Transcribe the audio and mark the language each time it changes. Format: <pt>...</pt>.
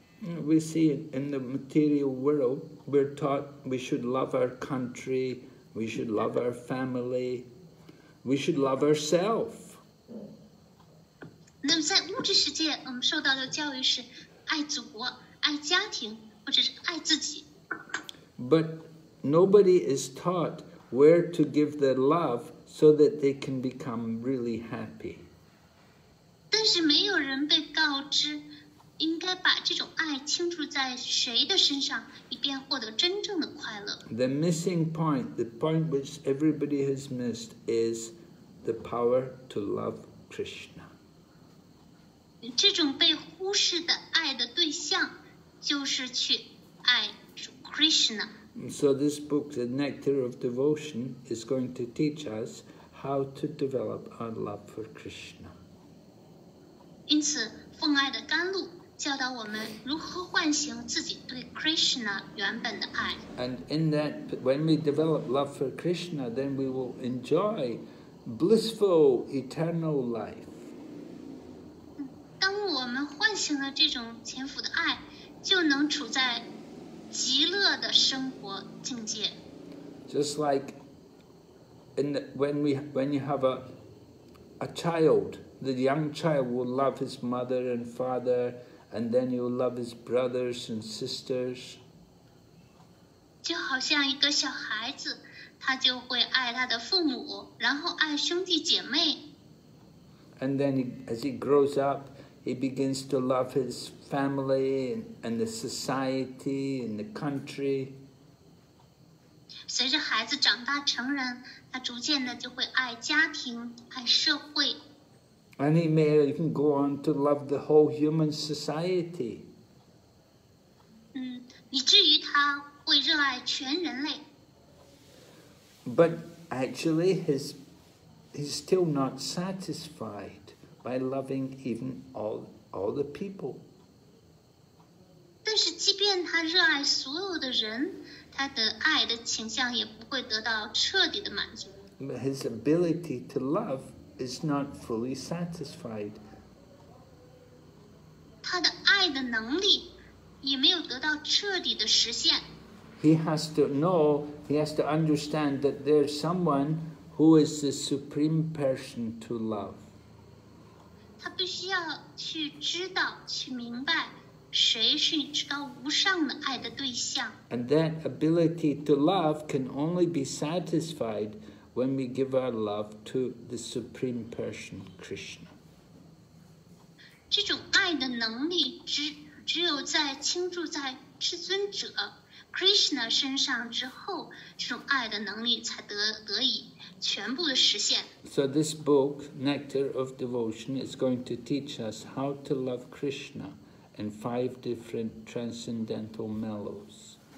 <en>We see it in the material world, we're taught we should love our country, we should love our family, we should love ourselves.</en> <zh>那么在物质世界，我们受到的教育是爱祖国、爱家庭，或者是爱自己。</zh> <en>But nobody is taught where to give their love so that they can become really happy.</en> <zh>但是没有人被告知应该把这种爱倾注在谁的身上，以便获得真正的快乐。</zh> <en>The missing point, the point which everybody has missed, is the power to love Krishna.</en> <zh>这种被忽视的爱的对象，就是去爱 Krishna.</zh> <en>So this book, The Nectar of Devotion, is going to teach us how to develop our love for Krishna.</en> <zh>因此，奉爱的甘露教导我们如何唤醒自己对 Krishna 原本的爱。</zh> <en>And in that, when we develop love for Krishna, then we will enjoy blissful eternal life.</en> <zh>当我们唤醒了这种潜伏的爱，就能处在极乐的生活境界。</zh> <en>Just like when you have a child, the young child will love his mother and father. And then you'll love his brothers and sisters.</en> <zh>就好像一个小孩子，他就会爱他的父母，然后爱兄弟姐妹。</zh> <en>And then as he grows up, he begins to love his family and the society and the country.</en> <zh>随着孩子长大成人，他逐渐的就会爱家庭，爱社会。</zh> <en>And he may even go on to love the whole human society.</en> <zh>以至于他会热爱全人类。</zh> <en>But actually, he's still not satisfied by loving even all the people.</en> <zh>但是即便他热爱所有的人，他的爱的倾向也不会得到彻底的满足。</zh> <en>His ability to love is not fully satisfied.</en> <zh>他的爱的能力</zh> <en>He has to know, he has to understand that there's someone who is the supreme person to love. And that ability to love can only be satisfied when we give our love to the supreme person, Krishna.</en> <zh>这种爱的能力只有在倾注在至尊者 Krishna 身上之后 这种爱的能力才得以全部的实现</zh> <en>So this book, Nectar of Devotion, is going to teach us how to love Krishna in five different transcendental mellows.</en>